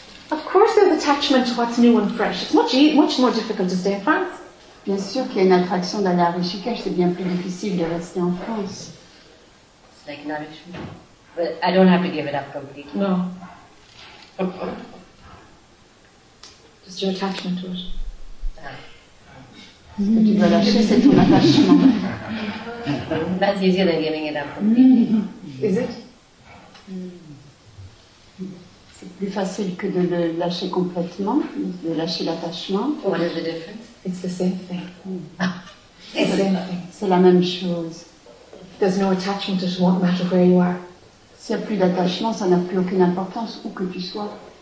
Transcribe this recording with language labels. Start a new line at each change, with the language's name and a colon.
English: Of course there's attachment to what's new and fresh. It's much more difficult to stay in France.
French: Bien sûr qu'il y a une attraction d'aller à Rishikesh, c'est bien plus difficile de rester en France.
English: Like nourishment. But I don't have to give it up completely. No. Just your attachment to it.
French: Tu dois lâcher, c'est ton attachement.
English: That's easier than giving it up completely. Is it?
French: C'est plus facile que de le lâcher complètement, de lâcher l'attachement.
English: What is the difference? It's the same thing.
French: C'est la même chose.
English: There's no attachment, it won't matter where you are.
French: S'il n'y a plus d'attachement, ça n'a plus aucune importance où que tu sois.